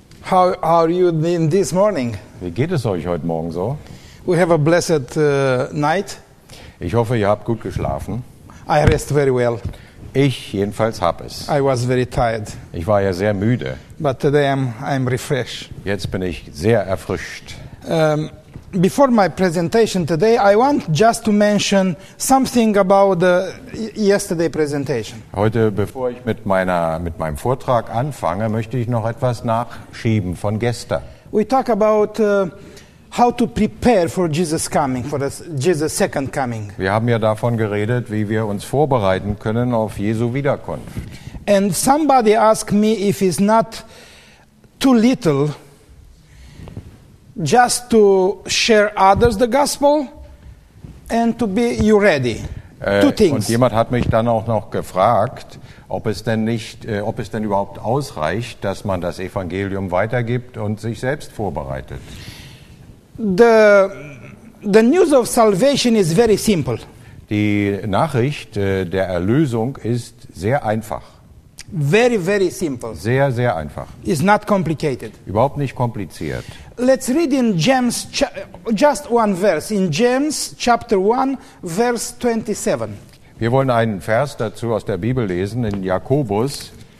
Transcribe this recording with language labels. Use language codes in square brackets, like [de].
[en] How are you in this morning? [de] Wie geht es euch heute Morgen so? [en] We have a blessed night. [de] Ich hoffe, ihr habt gut geschlafen. [en] I rest very well. [de] Ich jedenfalls habe es. [en] I was very tired. [de] Ich war ja sehr müde. [en] But today I'm refreshed. [de] Jetzt bin ich sehr erfrischt. [en] Before my presentation today, I want just to mention something about the yesterday presentation. [de] Heute, bevor ich mit meinem Vortrag anfange, möchte ich noch etwas nachschieben von gestern. [en] We talk about how to prepare for Jesus coming, for Jesus' second coming. [de] Wir haben ja davon geredet, wie wir uns vorbereiten können auf Jesu Wiederkunft. [en] And somebody asked me if it's not too little just to share others the gospel and to be you ready. Two things. [de] Und jemand hat mich dann auch noch gefragt, ob es denn überhaupt ausreicht, dass man das Evangelium weitergibt und sich selbst vorbereitet. [en] The news of salvation is very simple. [de] Die Nachricht der Erlösung ist sehr einfach. [en] Very, very simple. [de] Sehr, sehr einfach. [en] It's not complicated. [de] Überhaupt nicht kompliziert. [en] Let's read in James, just one verse, in James chapter 1, verse 27. [de] Wir wollen einen Vers dazu aus der Bibel lesen, in Jakobus,